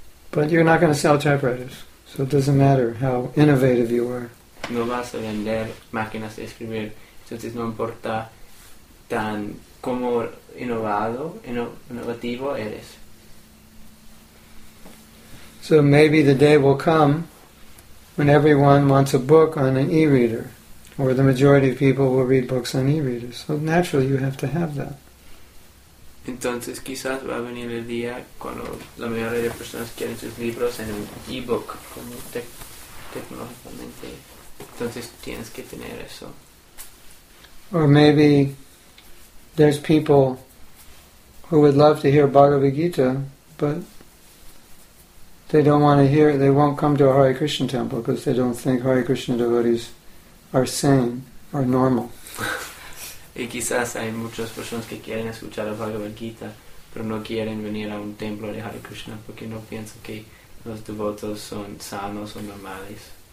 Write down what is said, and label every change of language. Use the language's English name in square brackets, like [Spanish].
[English] But you're not going to sell typewriters, so it doesn't matter how innovative you are. [Spanish] No vas a vender máquinas de escribir, entonces no importa tan como innovativo eres. [English] So maybe the day will come when everyone wants a book on an e-reader, or the majority of people will read books on e-readers. So naturally you have to have that. [Spanish] Entonces quizás va a venir el día cuando la mayoría de personas quieren sus libros en un e-book, como tecnológicamente. Entonces tienes que tener eso. [English] Or maybe there's people who would love to hear Bhagavad Gita, but they don't want to hear it. They won't come to a Hare Krishna temple because they don't think Hare Krishna devotees are sane or normal. [Spanish] Y quizás hay muchas personas que quieren escuchar la Bhagavad Gita, pero no quieren venir a un templo de Hare Krishna porque no piensan que los devotos son sanos o normales.